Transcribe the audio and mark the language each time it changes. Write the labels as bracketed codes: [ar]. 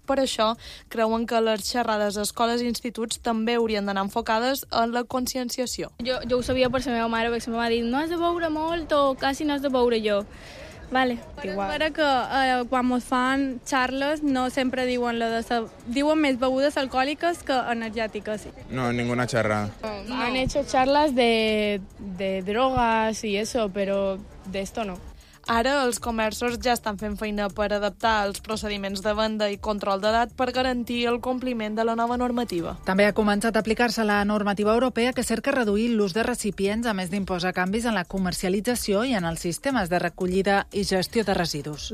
[ca] Per això, creuen que les xerrades a escoles i instituts també haurien d'anar enfocades en la conscienciació. Jo ho sabia per la meva mare, perquè se m'ha dit no has de beure molt o quasi no has de beure jo. Vale. Però és vera que quan mos fan xarles no sempre diuen lo de diuen més begudes alcohòliques que energètiques. No, ninguna xerrada. No. [es] Han hecho charlas de drogas y eso, pero de esto no. [ca] Ara els comerços ja estan fent feina per adaptar els procediments de venda i control d'edat per garantir el compliment de la nova normativa. També ha començat a aplicar-se la normativa europea que cerca reduir l'ús de recipients, a més d'imposar canvis en la comercialització i en els sistemes de recollida i gestió de residus.